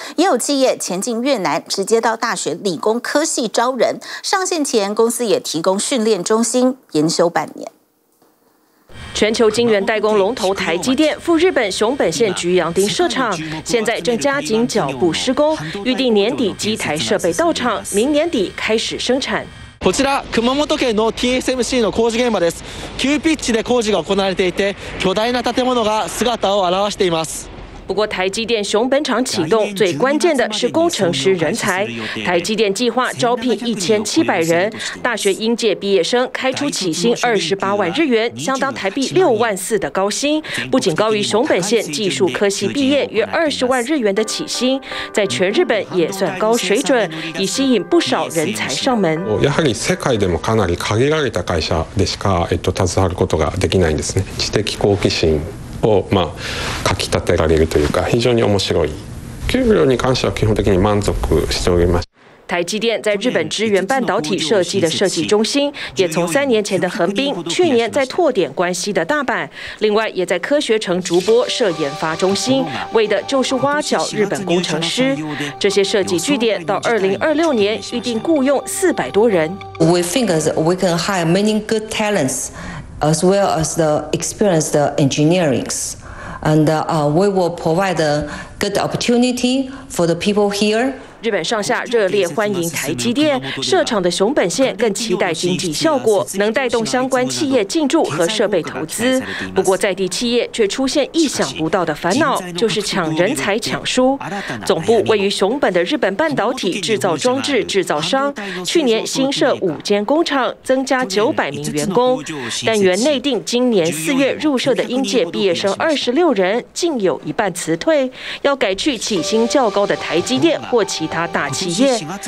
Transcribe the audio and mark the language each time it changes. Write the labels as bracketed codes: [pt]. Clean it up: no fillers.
[zh] 也有企业前进越南，直接到大学理工科系招人，上线前公司也提供训练中心研修半年。全球晶圆代工龙头台积电赴日本熊本县菊阳町设厂，现在正加紧脚步施工，预定年底机台设备到厂，明年底开始生产。 [ja] こちら熊本県の TSMC の工事現場です。急ピッチで工事が行われていて、巨大な建物が姿を現しています。 [zh] 不过台积电熊本厂启动最关键的是工程师人才，台积电计划招聘1700人，大学应届毕业生开出起薪28万日元，相当台币6万4的高薪，不仅高于熊本县技术科系毕业约20万日元的起薪，在全日本也算高水准，已吸引不少人才上门。 [ja] やはり世界でもかなり限られた会社でしか携わることができないんですね。知的好奇心をまあかきたてられるというか、非常に面白い。給料に関しては基本的に満足しております。 [zh] 台积电在日本支援半导体设计的设计中心，也从3年前的横滨，去年在拓点关西的大阪，另外也在科学城筑波设研发中心，为的就是挖角日本工程师。这些设计据点到2026年预定雇用400多人。 [en] We think we can hire many good talents. As well as the experienced engineers, and we will provide a good opportunity for the people here. [zh] 日本上下热烈欢迎台积电设厂的熊本县，更期待经济效果能带动相关企业进驻和设备投资。不过在地企业却出现意想不到的烦恼，就是抢人才抢输。总部位于熊本的日本半导体制造装置制造商，去年新设5间工厂，增加900名员工，但原内定今年4月入社的应届毕业生26人，竟有一半辞退，要改去起薪较高的台积电或其他大企业。